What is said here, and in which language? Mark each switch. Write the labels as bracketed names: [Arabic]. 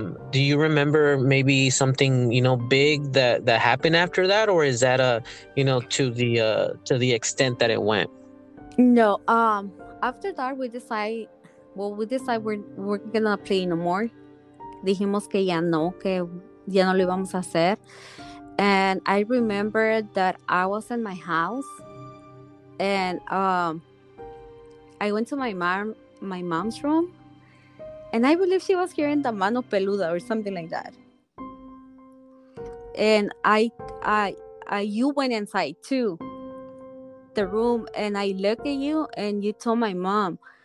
[English] Do you remember maybe something, big that happened after that, or is that to the extent that it went? No, after that we decide we're gonna play no more. [Spanish] Dijimos que ya no lo íbamos a hacer. [English] And I remember that I was in my house, and I went to my mom's room, and I believe she was hearing the mano peluda or something like that. And I you went inside too. The room, and I look at you, and you told my mom,